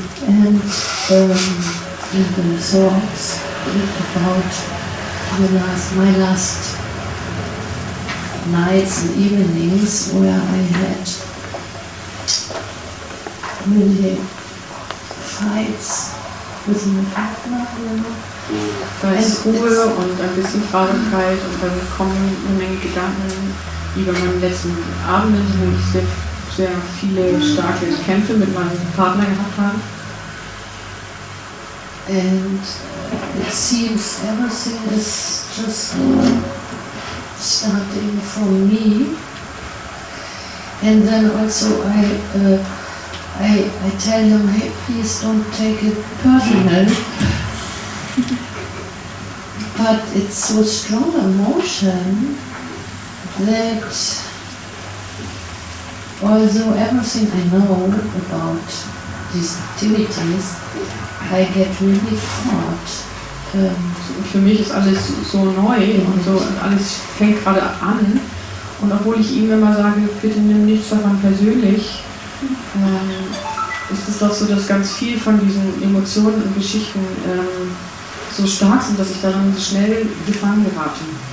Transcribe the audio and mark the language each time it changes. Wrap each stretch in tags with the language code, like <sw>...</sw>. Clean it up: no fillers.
<en>And the thoughts about my last nights and evenings where I had really fights with my partner, you know.</en> <de>Da ist Ruhe und ein bisschen Traurigkeit und dann kommen eine Menge Gedanken über meine letzten Abende, wo ich sehr, sehr viele starke Kämpfe mit meinem Partner gehabt habe.</de> <en>And it seems everything is just starting for me, and then also I tell him, hey, please don't take it personal, but it's so strong emotion that although everything I know about these activities, I get really caught.</en> <de>Für mich ist alles so neu und so, und alles fängt gerade an. Und obwohl ich ihm immer sage, bitte nimm nichts davon persönlich, ist es doch so, dass ganz viel von diesen Emotionen und Geschichten so stark sind, dass ich daran so schnell gefangen gerate.</de>